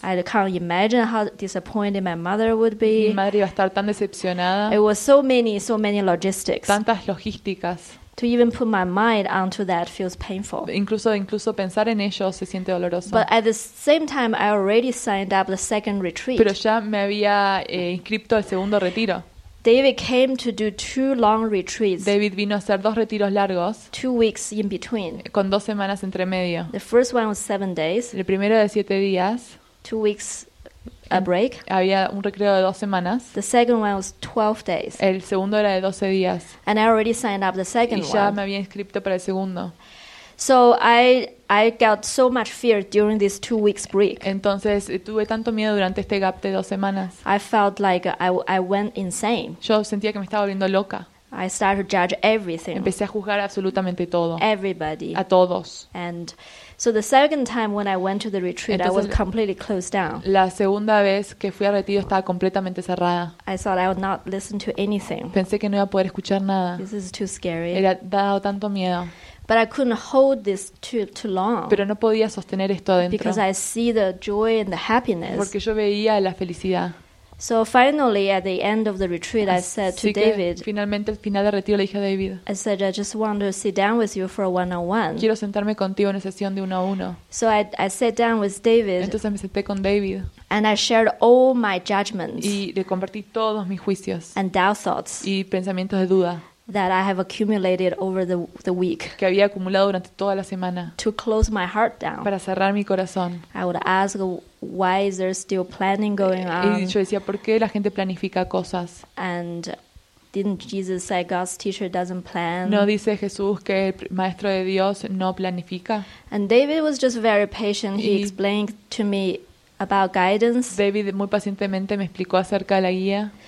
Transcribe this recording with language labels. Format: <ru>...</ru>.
<en>I can't imagine how disappointed my mother would be.</en> <es>Mi madre iba a estar tan decepcionada.</es> <en>It was so many logistics.</en> <es>Tantas logísticas.</es> <en>To even put my mind onto that feels painful.</en> <es>Incluso pensar en ello se siente doloroso.</es> <en>But at the same time, I already signed up the second retreat.</en> <es>Pero ya me había inscrito al segundo retiro.</es> <en>David came to do 2 long retreats.</en> <es>David vino a hacer 2 retiros largos.</es> <en>2 weeks in between.</en> <es>Con 2 semanas entre medio.</es> <en>The first one was 7 days.</en> <es>El primero de 7 días.</es> <en>2 weeks a break.</en> <es>Había un recreo de 2 semanas.</es> <en>The second one was 12 days.</en> <es>El segundo era de 12 días.</es> <en>And I already signed up the second one.</en> <es>Y ya me había inscrito para el segundo.</es> <en>So I got so much fear during these 2 weeks break.</en> <es>Entonces tuve tanto miedo durante este gap de 2 semanas.</es> <en>I felt like I went insane.</en> <es>Yo sentía que me estaba volviendo loca.</es> <en>I started to judge everything.</en> <es>Empecé a juzgar absolutamente todo.</es> <en>Everybody.</en> <es>A todos.</es> <en>And so the second time when I went to the retreat,</en> <es>entonces,</es> <en>I was completely closed down.</en> <es>La segunda vez que fui al retiro estaba completamente cerrada.</es> <en>I thought I would not listen to anything.</en> <es>Pensé que no iba a poder escuchar nada.</es> <en>This is too scary.</en> <es>Era dado tanto miedo.</es> <en>But I couldn't hold this too long.</en> <es>Pero no podía sostener esto adentro.</es> <en>Because I see the joy and the happiness.</en> <es>Porque yo veía la felicidad.</es> <en>So finally, at the end of the retreat, I said to David.</en> <es>Finalmente, al final del retiro, le dije a David.</es> <en>I said, I just want to sit down with you for a one-on-one.</en> <es>Quiero sentarme contigo en una sesión de uno a uno.</es> <en>So I sat down with David.</en> <es>Entonces me senté con David.</es> <en>And I shared all my judgments.</en> <es>Y le compartí todos mis juicios.</es> <en>And doubt thoughts.</en> <es>Y pensamientos de duda.</es> <en>That I have accumulated over the week.</en> <es>Que había acumulado durante toda la semana.</es> <en>To close my heart down.</en> <es>Para cerrar mi corazón.</es> <en>I would ask, why is there still planning going on?</en> <es>Y yo decía, ¿por qué la gente planifica cosas?</es> <en>And didn't Jesus say God's teacher doesn't plan?</en> <es>¿No dice Jesús que el maestro de Dios no planifica?</es> <en>And David was just very patient. He explained to me about guidance.</en> <es>David muy pacientemente me explicó acerca de la guía.</es>